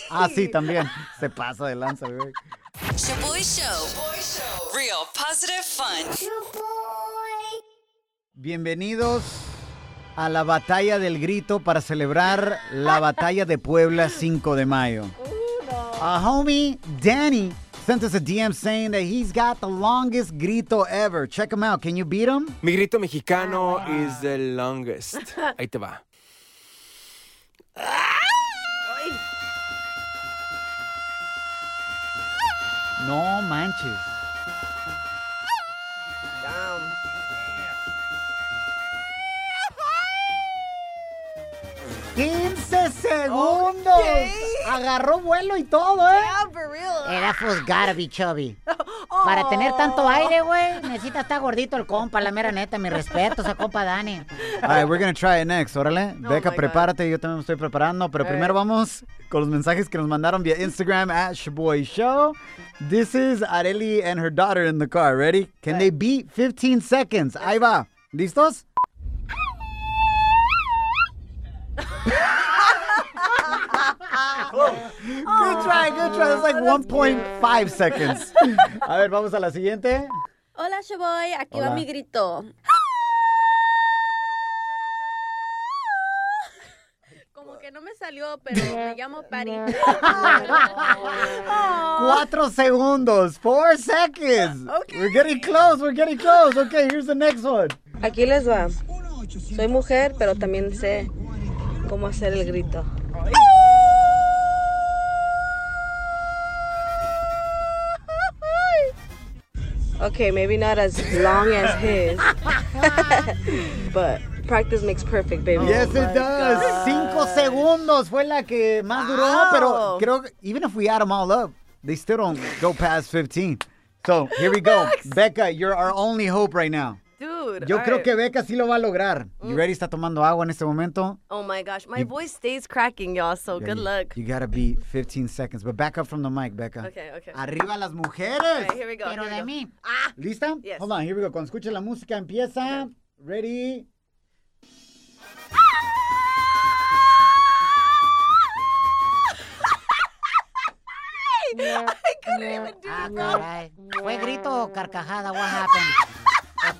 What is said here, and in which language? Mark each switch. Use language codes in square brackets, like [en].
[es] Ah, sí, también. Se pasa de lanza, güey. Shaboy [en] Show. Shaboy Show. Real positive fun. Shaboy. [es] Bienvenidos a la batalla del grito para celebrar la batalla de Puebla 5 de mayo. [en] A homie, Danny, sent us a DM saying that he's got the longest grito ever. Check him out. Can you beat him? [es] Mi grito mexicano [en] is the longest. [es] Ahí te va. No manches. [en] Damn. [es] 15 segundos. Okay. Agarró vuelo y todo, ¿eh? [en] Yeah, for real. That fool's gotta be chubby. [es] Para tener tanto aire, güey, necesita estar gordito el compa, la mera neta. Mi respeto, esa compa Dani. [en] All right, we're going to try it next, [es] órale. No, Becca, prepárate, yo también me estoy preparando. Pero primero vamos con los mensajes que nos mandaron via Instagram, @shaboyshow. [en] This is Areli and her daughter in the car, ready? Can they beat 15 seconds? [es] Ahí va. ¿Listos? [en] Good try. That's like 1.5 seconds. [es] A ver, vamos a la siguiente. Hola, Shaboy. Aquí va mi grito. Como que no me salió, pero me llamo Patty. 4 segundos. [en] 4 seconds. Okay. We're getting close. Okay, here's the next one. [es] Aquí les va. Soy mujer, pero también sé cómo hacer el grito. [en] Okay, maybe not as long as his, but practice makes perfect, baby. Yes, it does. [es] 5 segundos fue la que más duró, pero creo que [en] even if we add them all up, they still don't go past 15. So here we go. Max. Becca, you're our only hope right now. Dude, [es] yo creo que Becca sí lo va a lograr. [en] You ready? [es] Está tomando agua en este momento. [en] Oh, my gosh. My voice stays cracking, y'all, so good luck. You got to beat 15 seconds, but back up from the mic, Becca. Okay. [es] Arriba las mujeres. [en] Okay, here we go. [es] Pero de mí. ¿Lista? [en] Yes. Hold on, here we go. [es] Cuando escuche la música, empieza. [en] Ready? I couldn't even do it, bro. [es] ¿Fue grito o carcajada? [en] What happened?